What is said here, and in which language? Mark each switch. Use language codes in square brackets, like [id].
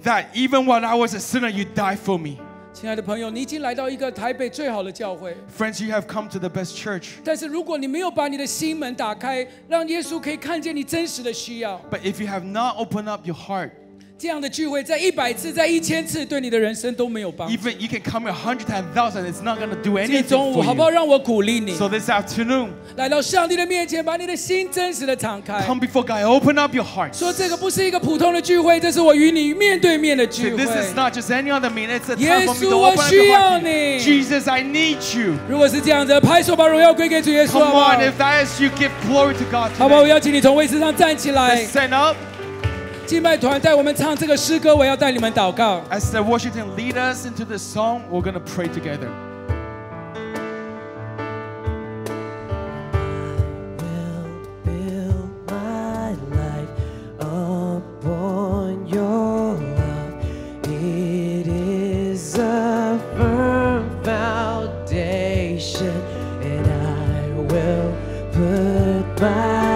[en] That even when I was a sinner, you died for me. [zh] 亲爱的朋友，你已经来到一个台北最好的教会。 [en] Friends, you have come to the best church. [zh] 但是如果你没有把你的心门打开，让耶稣可以看见你真实的需要。 [en] But if you have not opened up your heart. [zh] 这样的聚会在一百次、在一千次，对你的人生都没有帮助。 [en] Even you can come here 100 times, 1,000, it's not going to do anything. [zh] 今天中午好不好让我鼓励你 [en] ？So this afternoon, [zh] 来到上帝的面前，把你的心真实的敞开。 [en] Come before God, open up your heart. [zh] 说这个不是一个普通的聚会，这是我与你面对面的聚会。 [en] This is not just any other meeting. It's a time for me to open up your heart. Jesus, I need you. [zh] 如果是这样子，拍手把荣耀归给主耶稣。 [en] Come on, if that is you, give glory to God. [zh] 好不好？我邀请你从位置上站起来。 [en] Stand up. [zh] 敬拜团带我们唱这个诗歌，我要带你们祷告。 [en] As the worship team lead us into this song, we're gonna pray together. I will build my life upon your love. It is a firm foundation, and I will put my.